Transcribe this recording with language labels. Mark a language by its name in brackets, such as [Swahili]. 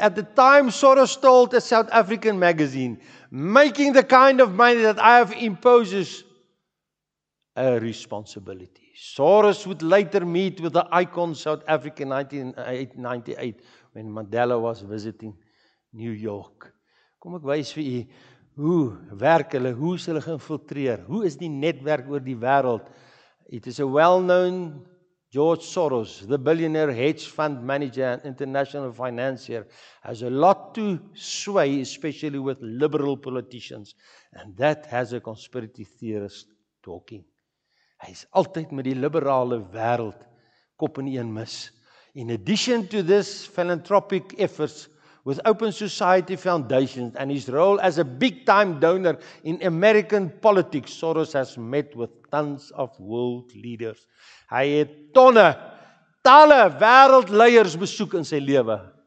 [English] At the time Soros told a South African magazine, making the kind of money that I have imposes a responsibility. Soros would later meet with the icon South Africa in 1998 when Mandela was visiting New York. [Afrikaans] Kom ek wys vir u hoe werk hulle, hoe is hulle geïnfiltreer? Hoe is die netwerk oor die wêreld? [English] It is a well-known George Soros, the billionaire hedge fund manager and international financier, has a lot to sway, especially with liberal politicians, and that has a conspiracy theorist talking. [Afrikaans] Hy is altyd met die liberale wêreld kop in een mis. [English] In addition to this philanthropic efforts with Open Society Foundations and his role as a big-time donor in American politics, Soros has met with tons of world leaders. [Afrikaans] Hy het tonne, talle wêreldleiers besoek in sy lewe.